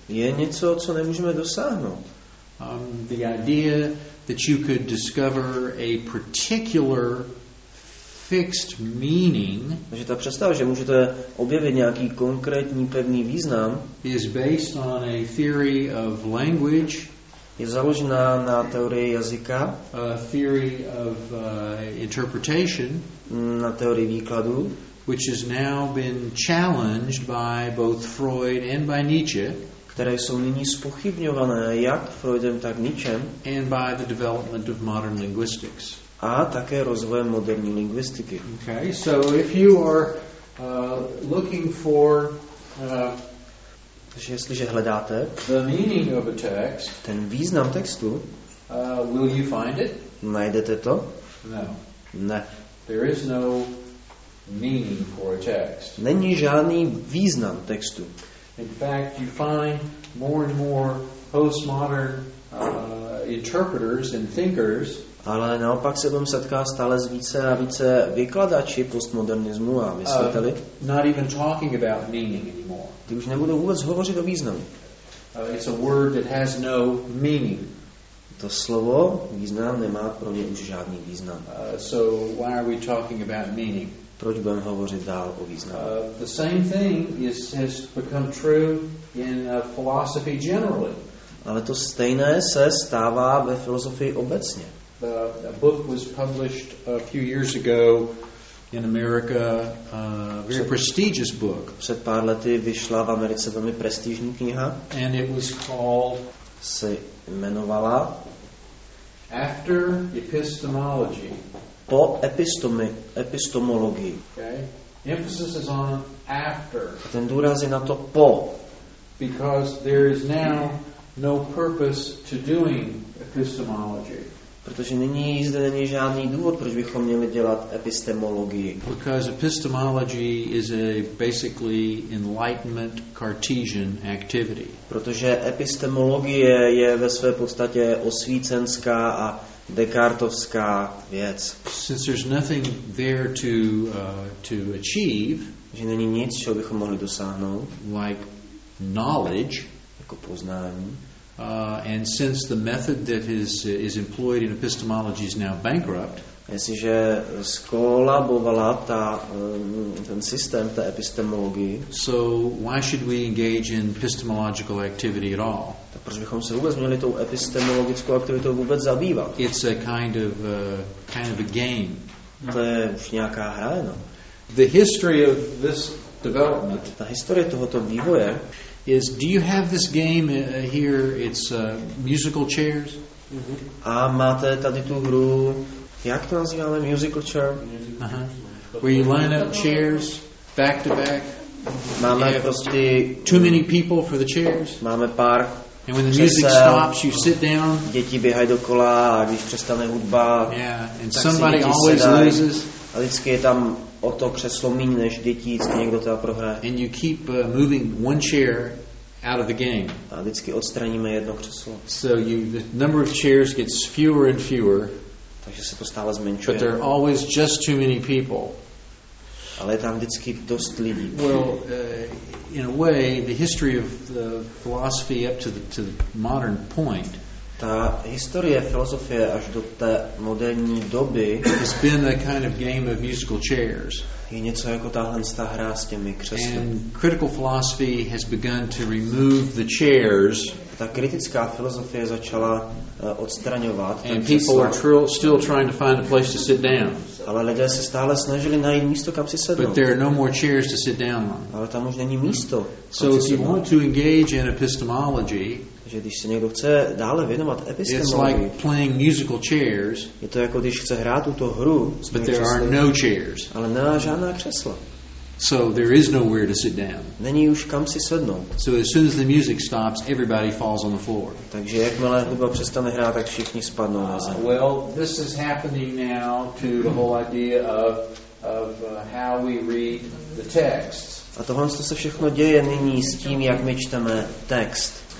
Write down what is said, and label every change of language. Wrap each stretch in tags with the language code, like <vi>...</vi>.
<cs>Je něco, co nemůžeme dosáhnout.</cs> <en>The idea that you could discover a particular fixed meaning,</en> <cs>že ta představa, že můžete objevit nějaký konkrétní pevný význam,</cs> <en>is based on a theory of language.</en> <cs>Je založená na teorii jazyka,</cs> <en>a theory of interpretation,</en> <cs>na teorii výkladu,</cs> <en>which has now been challenged by both Freud and by Nietzsche,</en> <cs>které jsou nyní zpochybňované jak Freudem, tak Nietzschem,</cs> <en>and by the development of modern linguistics.</en> <cs>A také rozvojem moderní lingvistiky.</cs> <en>Okay, so if you are looking for</en> <cs>jestliže hledáte</cs> <en>the meaning of a text,</en> <cs>ten význam textu,</cs> <en>will you find it?</en> <cs>Najdete to?</cs> <en>No.</en> <cs>Ne.</cs> <en>There is no meaning for a text.</en> <cs>Není žádný význam textu.</cs> <en>In fact, you find more and more postmodern interpreters and thinkers.</en> <cs>Ale naopak se budeme setkávat stále s více a více vykladači postmodernismu a mysliteli.</cs> <en>Not even talking about meaning anymore.</en> <cs>Ty už nebudou vůbec hovořit o významu.</cs> <en>It's a word that has no meaning.</en> <cs>To slovo význam nemá pro ně už žádný význam.</cs> <en>So why are we talking about meaning?</en> <cs>Proč budeme hovořit dál o významu?</cs> <en>The same thing has become true in philosophy generally.</en> <cs>Ale to stejné se stává ve filozofii obecně.</cs> <en>A book was published a few years ago in America, a very prestigious book.</en> <cs>Před pár lety vyšla v Americe velmi prestižní kniha.</cs> <en>And it was called,</en> <cs>se jmenovala</cs> <en>After Epistemology.</en> <cs>Po epistemologii.</cs> <en>Okay. Emphasis is on after.</en> <cs>A ten důraz je na to po.</cs> <en>Because there is now no purpose to doing epistemology.</en> <cs>Protože nyní zde není žádný důvod, proč bychom měli dělat epistemologii.</cs> <en>Because epistemology is a basically enlightenment Cartesian activity.</en> <cs>Protože epistemologie je ve své podstatě osvícenská a dekartovská věc.</cs> <en>Since there's nothing there to achieve,</en> <cs>že není nic, čeho bychom mohli dosáhnout,</cs> <en>like knowledge,</en> <cs>jako poznání.</cs> <en>And since the method that is employed in epistemology is now bankrupt,</en> <cs>jestliže skolabovala ta ten systém té epistemologie,</cs> <en>so why should we engage in epistemological activity at all?</en> <cs>Tak proč bychom se vůbec měli tou epistemologickou aktivitou vůbec zabývat?</cs> <en>It's a kind of a game.</en> <cs>To je už nějaká hra, no.</cs> <en>The history of this development,</en> <cs>ta historie tohoto vývoje,</cs> <en>is, do you have this game here? It's musical chairs.</en> <cs>A máte tady tu hru, jak to nazýváme, musical chair?</cs> <en>Where you line up chairs back to back.</en> <cs>Máme prostě</cs> <en>too many people for the chairs.</en> <cs>Máme pár.</cs> <en>And when the music stops, you sit down.</en> <cs>Děti běhají dokola, a když přestane hudba,</cs> <en>and somebody always loses.</en> <cs>A vždycky je tam o to křeslo míň než děti, vždycky někdo teda prohraje.</cs> <en>And you keep moving one chair out of the game.</en> <cs>A vždycky odstraníme jedno křeslo.</cs> <en>So the number of chairs gets fewer and fewer.</en> <cs>Takže se to stále zmenšuje.</cs> <en>But there are always just too many people.</en> <cs>Ale je tam vždycky dost lidí.</cs> <en>Well, in a way, the history of the philosophy up to the modern point.</en> <cs>Ta historie filozofie až do té moderní doby</cs> <en>has been a kind of game of musical chairs.</en> <cs>Je něco jako tahle ta hra s těmi křesly.</cs> <en>And critical philosophy has begun to remove the chairs.</en> <cs>Ta kritická filozofie začala odstraňovat.</cs> <en>And people are still trying to find a place to sit down.</en> <cs>Ale lidé se stále snažili najít místo, kam si sednout.</cs> <en>But there are no more chairs to sit down on.</en> <cs>Ale tam už není místo.</cs> <en>So if you want to engage in epistemology,</en> <cs>že když se někdo chce dále věnovat epistemologii,</cs> <en>it's like playing musical chairs,</en> <cs>je to jako když chce hrát tuto hru,</cs> <en>but there are no chairs.</en> <cs>Ale nemá žádná křesla.</cs> <en>So there is nowhere to sit down.</en> <cs>Není už kam si sednout.</cs> <en>So as soon as the music stops, everybody falls on the floor.</en> <cs>Takže jakmile hudba přestane hrát, tak všichni spadnou na zem.</cs> <en>Well, this is happening now to the whole idea of how we read the text.</en> <cs>A tohle se všechno děje nyní s tím, jak my čteme text.</cs>